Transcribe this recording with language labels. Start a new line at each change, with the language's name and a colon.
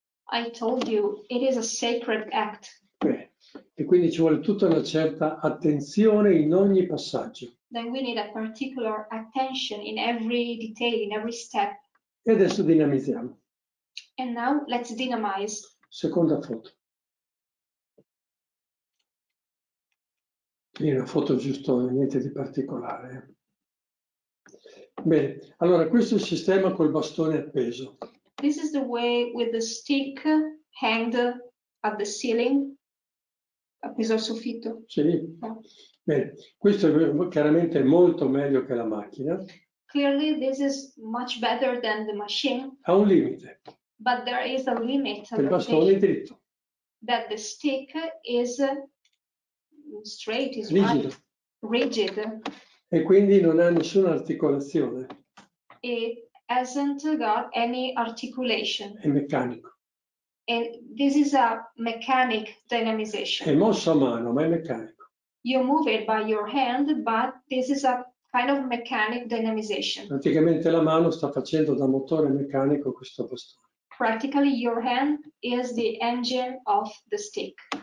English: I told you, it is a sacred act.
Italian: E quindi ci vuole tutta una certa attenzione in ogni passaggio.
English: Then we need a particular attention in every detail, in every step.
Italian: E adesso dinamizziamo.
English: And now let's dynamize.
Italian: Seconda foto. È una foto giusto, niente di particolare. Bene, allora questo è il sistema col bastone appeso.
English: This is the way with the stick hanged at the ceiling.
Italian: Appeso al soffitto. Sì. Bene. Questo è chiaramente molto meglio che la macchina.
English: Clearly this is much better than the machine.
Italian: Ha un limite.
English: But there is a limit.
Italian: Il bastone è dritto.
English: That the stick is straight, is
Italian: rigido.
English: Rigid.
Italian: E quindi non ha nessuna articolazione.
English: It hasn't got any articulation.
Italian: È meccanico.
English: And this is a mechanic dynamization.
Italian: È mosso a mano, ma è meccanico.
English: You move it by your hand, but this is a kind of mechanic dynamization.
Italian: Praticamente la mano sta facendo da motore meccanico questo bastone.
English: Practically your hand is the engine of the stick.